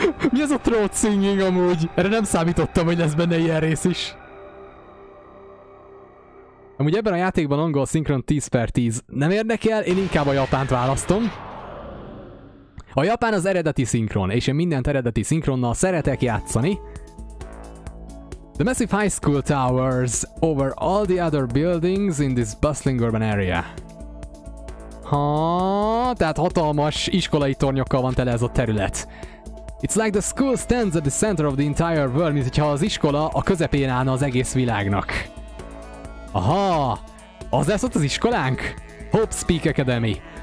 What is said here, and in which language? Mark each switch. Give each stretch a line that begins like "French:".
Hungarian: Mi az a throat singing amúgy? Erre nem számítottam, hogy lesz benne ilyen rész is. Amúgy ebben a játékban angol szinkron 10/10. Nem érdekel, én inkább a japánt választom. A japán az eredeti szinkron, és én mindent eredeti szinkronnal szeretek játszani.
English: The massive high school towers over all the other buildings in this bustling urban area.
Hungarian: Ha, tehát hatalmas iskolai tornyokkal van tele ez a terület.
English: It's like the school stands at the center of the entire world,
Hungarian: mint hogyha az iskola a közepén állna az egész világnak. Aha, az lesz ott az iskolánk? Hope Speak Academy.